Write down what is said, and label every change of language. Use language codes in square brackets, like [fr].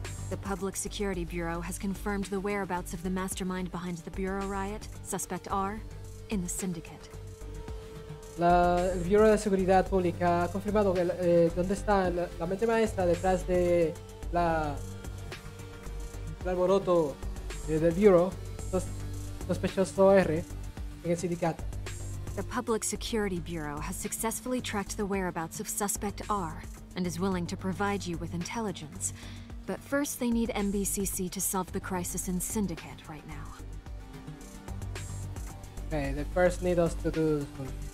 [en] The Public Security Bureau has confirmed the whereabouts of the mastermind behind the Bureau riot, suspect R, in the Syndicate. [es] El Bureau de Seguridad Pública ha confirmado que dónde está la mente maestra detrás de el alboroto del Bureau, sospechoso R, en el sindicato. [en] The Public Security Bureau has successfully tracked the whereabouts of Suspect R and is willing to provide you with intelligence. But first, they need MBCC to solve the crisis in Syndicate right now. Okay, they first need us to do this one.